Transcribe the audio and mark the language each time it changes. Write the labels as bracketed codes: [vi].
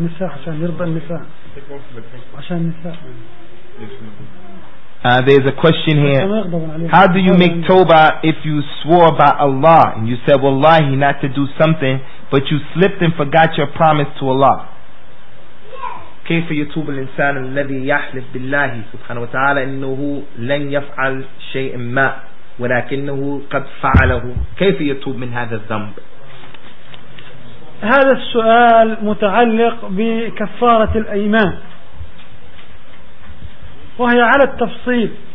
[en] النساء عشان يرضى النساء عشان النساء There's a question here. How do you make tawbah if you swore by Allah and you said wallahi not to do something but you slipped and forgot your promise to Allah? [ar] كيف يتوب الانسان الذي يحلف بالله سبحانه وتعالى انه لن يفعل شيئا ما ولكنه قد فعله؟ كيف يتوب من هذا الذنب؟ هذا السؤال متعلق بكفارة الأيمان، وهي على التفصيل.